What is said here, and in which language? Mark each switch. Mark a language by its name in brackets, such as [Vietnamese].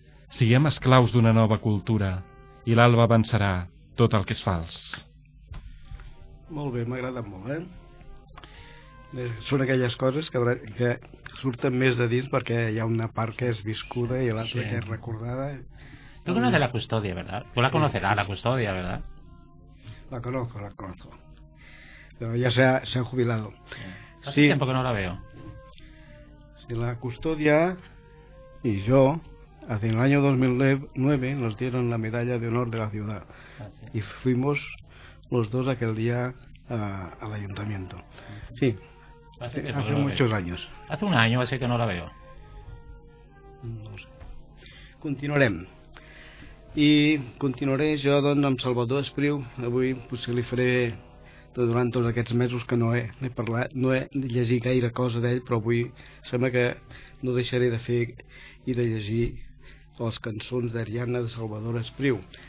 [Catalan] Siguem esclaus d'una nova cultura, i l'alba avançarà tot el que és fals. Molt bé, m'agrada molt, eh? Són aquelles coses que surten més de dins perquè hi ha una part que és viscuda i l'altra, sí, que és recordada. [Spanish] Tu conoces la custòdia, ¿verdad? Tu la conocerás, la custòdia, ¿verdad? La conozco. [Catalan] Però ja [Spanish] se ha jubilado. Sí. Hace tiempo que no la veo. Sí, la custòdia y yo, en el año 2009, nos dieron la medalla de honor de la ciudad. Ah, sí. Y fuimos los dos aquel día al ayuntamiento. Sí. Hace muchos años. Hace un año, así que no la veo. [Catalan] No sé. Continuarem. I continuaré jo, doncs, amb Salvador Espriu. Avui potser li faré, durant tots aquests mesos que no he llegit gaire cosa d'ell, però avui sembla que no deixaré de fer i de llegir les cançons d'Ariadna de Salvador Espriu.